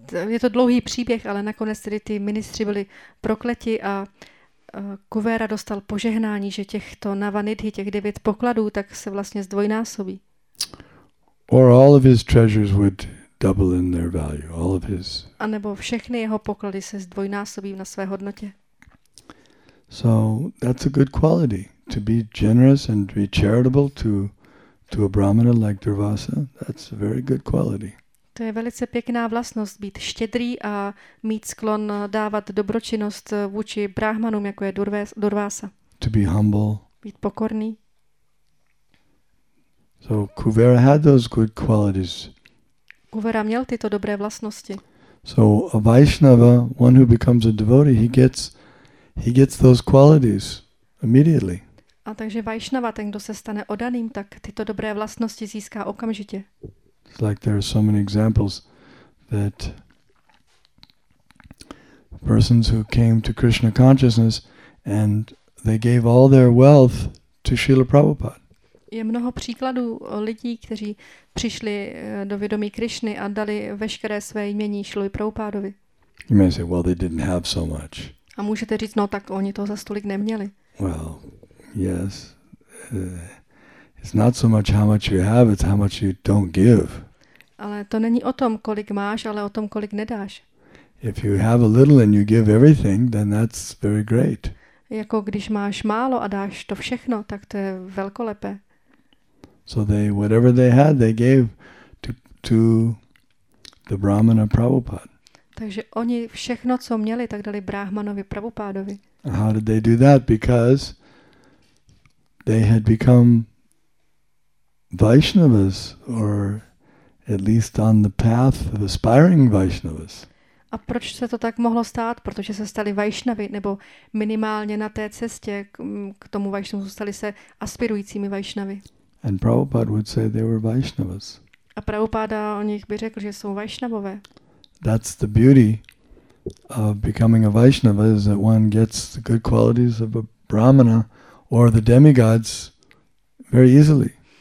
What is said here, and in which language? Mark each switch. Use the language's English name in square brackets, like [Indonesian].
[Czech] Je to dlouhý příběh, ale nakonec tedy ty ministři byli prokleti a Kuvera dostal požehnání, že těchto navanidhi, těch 9 pokladů, tak se vlastně zdvojnásobí. [English] Or all of his treasures would double in their value. All of his. [Czech] A nebo všechny jeho poklady se zdvojnásobí na své hodnotě. [English] So that's a good quality to be generous and be charitable to To a brahmana like Durvasa, that's a very good quality. [Czech] To je velice pěkná vlastnost být štědrý a mít sklon dávat dobročinnost vůči brahmanům, jako je Durvasa. [English] To be humble. [Czech] Být pokorný. [English] So Kuvera had those good qualities. [Czech] Kuvera měl tyto dobré vlastnosti. [English] So a Vaishnava, one who becomes a devotee, he gets those qualities immediately. [Czech] A takže Vaishnava, ten, kdo se stane odaným, tak tyto dobré vlastnosti získá okamžitě. [English] It's like there are so many examples that persons who came to Krishna consciousness and they gave all their wealth to Srila Prabhupada. [Czech] Je mnoho příkladů lidí, kteří přišli do vědomí Krišny a dali veškeré své jmění Šilovi Prabhupádovi. [English] You may say, well, they didn't have so much. [Czech] A můžete říct, no tak oni to za stolik neměli. [English] Well, yes. It's not so much how much you have, it's how much you don't give. [Czech] Ale to není o tom, kolik máš, ale o tom, kolik nedáš. [English] If you have a little and you give everything, then that's very great. [Czech] Jako když máš málo a dáš to všechno, tak to je velkolepé. [English] So they whatever they had they gave to the brahmana Prabhupada. [Czech] Takže oni všechno co měli tak dali brahmanovi Prabhupádovi. [English] How did they do that? Because they had become Vaishnavas or at least on the path of aspiring Vaishnavas. [Czech] A proč se to tak mohlo stát? Protože se stali Vaishnavy nebo minimálně na té cestě k tomu Vaishnavu stali se aspirujícími Vaishnavy. [English] And Prabhupada would say they were Vaishnavas. [Czech] A Prabhupada o nich by řekl, že jsou Vaishnavové. [English] That's the beauty of becoming a Vaishnava is that one gets the good qualities of a brahmana or the demigods very easily.